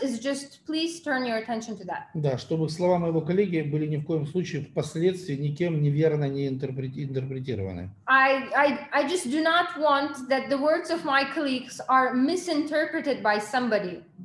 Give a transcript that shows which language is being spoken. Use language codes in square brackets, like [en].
[en] It's just please turn your attention to that. [ru] Да, чтобы слова моего коллеги были ни в коем случае впоследствии никем неверно не интерпретированы. [en] I just do not want that the words of my colleagues are misinterpreted by somebody.